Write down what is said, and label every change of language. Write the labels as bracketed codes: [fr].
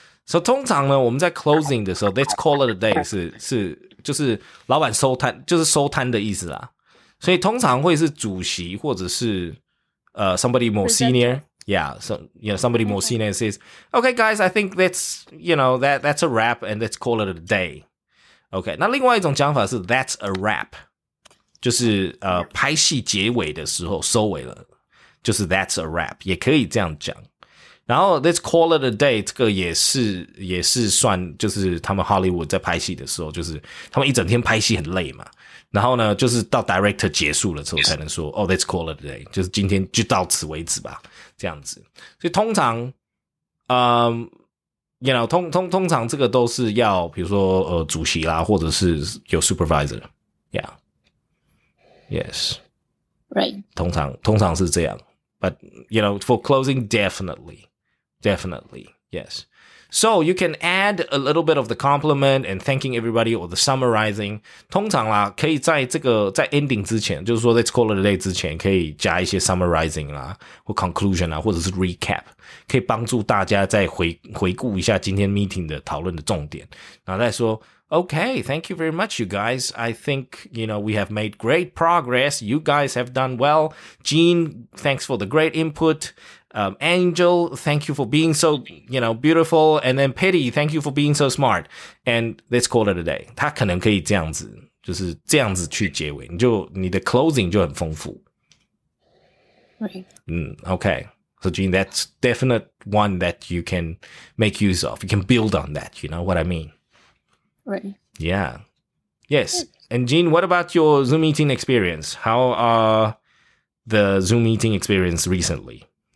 [zh] So, 通常呢，我们在 closing 的时候 ， [en] let's call it a day [zh] 是就是老板收摊，就是收摊的意思啦。所以通常会是主席或者是 [en] somebody more senior. Yeah. So you know, somebody more senior says, "Okay, guys, I think that's a wrap, and let's call it a day." Okay. [zh] 那另外一种讲法是 [en] that's a wrap, [zh] 就是拍戏结尾的时候收尾了，就是 that's a wrap 也可以这样讲。然后 [en] let's call it a day [zh] 这个也是算就是他们 Hollywood 在拍戏的时候，就是他们一整天拍戏很累嘛。然后呢，就是到 director 结束了之后才能说 [en] yes. oh let's call it a day [zh] 就是今天就到此为止吧，这样子。所以通常， [en] you know [zh] 通常这个都是要比如说主席啦，或者是有 supervisor， [en] yeah， yes， right， [zh] 通常是这样 [en] ，but you know for closing definitely。 Definitely, yes. So you can add a little bit of the compliment and thanking everybody or the summarizing. [zh] 通常啦，可以在 ending 之前，就是说 [en] let's call it a day [zh] 之前，可以加一些 summarizing 啦，或 conclusion 啦，或者是 recap，可以帮助大家再回顾一下今天 meeting 的讨论的重点。然后再说 [en] okay, thank you very much, you guys. I think you know we have made great progress. You guys have done well. Jean, thanks for the great input. Angel, thank you for being so, you know, beautiful. And then Patty, thank you for being so smart. And let's call it a day. [zh] 他可能可以这样子，就是这样子去结尾，你的 closing 就很丰富。 [en] Right. Okay. So Jean, that's definite one that you can make use of. You can build on that. You know what I mean? Right. Yeah. Yes. And Jean, what about your Zoom meeting experience? How are the Zoom meeting experience recently?